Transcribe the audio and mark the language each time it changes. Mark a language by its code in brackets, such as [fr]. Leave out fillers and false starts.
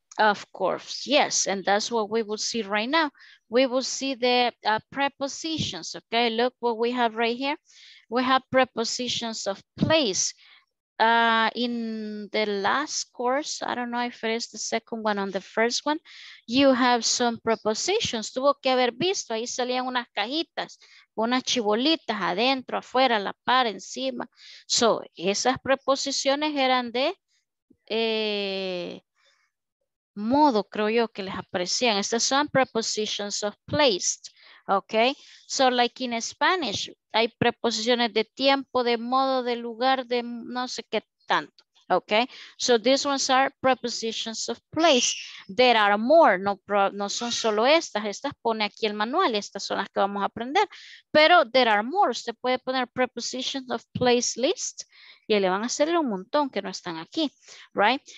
[en] Of course, yes, and that's what we will see right now, we will see the prepositions, ok, look what we have right here, we have prepositions of place. In the last course, I don't know if it is the second one on the first one, you have some prepositions. [es] Tuvo que haber visto, ahí salían unas cajitas, unas chibolitas adentro, afuera, la par, encima. So, esas preposiciones eran de modo, creo yo, que les aparecían. Estas son prepositions of place. Okay, so like in Spanish, hay preposiciones de tiempo, de modo, de lugar, de no sé qué tanto. [en] Okay, so these ones are prepositions of place. [es] There are more, no son solo estas, estas pone aquí el manual, estas son las que vamos a aprender. Pero there are more, usted puede poner prepositions of place list y le van a salir un montón que no están aquí, right?